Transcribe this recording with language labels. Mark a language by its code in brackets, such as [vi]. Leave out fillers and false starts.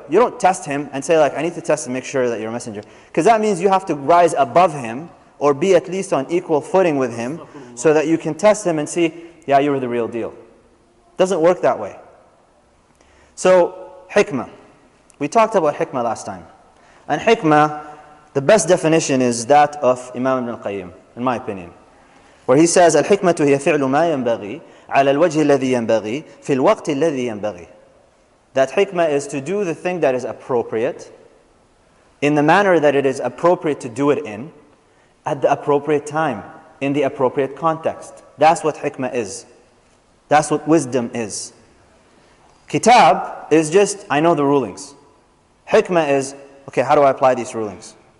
[en] You don't test him and say like, I need to test and make sure that you're a messenger. Because that means you have to rise above him or be at least on equal footing with him so that you can test him and see, yeah, you're the real deal. Doesn't work that way. So, hikmah. We talked about hikmah last time. And hikmah, the best definition is that of Imam Ibn al-Qayyim, in my opinion. Where he says, [ar] الْحِكْمَةُ هِيَ فِعْلُ مَا يَنْبَغِي عَلَى الْوَجْهِ الَّذِي يَنْبَغِي فِي الْوَقْتِ الَّذِي يَنْبَغِي. [en] That hikmah is to do the thing that is appropriate in the manner that it is appropriate to do it in, at the appropriate time, in the appropriate context. That's what hikmah is. That's what wisdom is. Kitab is just, I know the rulings. Hikmah is, okay, how do I apply these rulings?